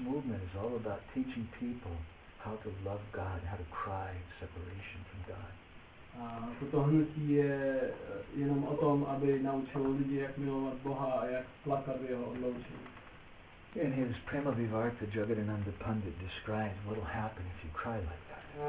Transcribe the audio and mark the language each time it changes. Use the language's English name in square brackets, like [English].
[English] movement is all about teaching people how to love God, how to cry separation from God. [Czech] Toto hnutí je jenom o tom, aby naučilo lidi, jak milovat Boha a jak plakat v jeho odloučení. [English] In his Prema Vivarta, Jagadananda Pandit describes what will happen if you cry like that.